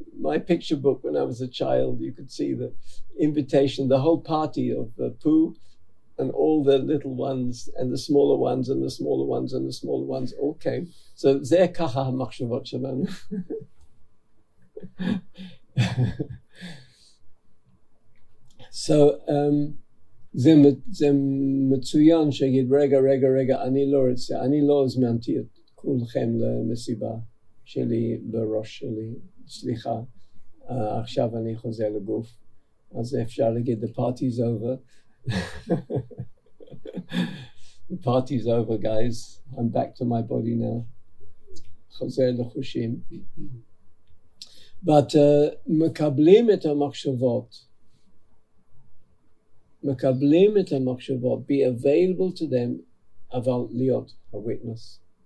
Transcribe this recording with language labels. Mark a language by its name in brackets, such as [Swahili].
[English] My picture book when I was a child, you could see the invitation, the whole party of Pooh and all the little ones and the smaller ones and the smaller ones and the smaller ones all came. [Hebrew] So זה ככה המחשבות שלנו. So זה מצוין שיגיד, רגע, רגע, רגע, אני לא רוצה, אני לא הזמנתי את כולכם למסיבה שלי בראש שלי, סליחה. עכשיו אני חוזר לגוף, אז אפשר להגיד, [English] the party's over. The party's over, guys. I'm back to my body now. [Hebrew] חוזר לחושים. But מקבלים את המחשבות. מקבלים את המחשבות, [English] be available to them, [Hebrew] אבל להיות [English] a witness.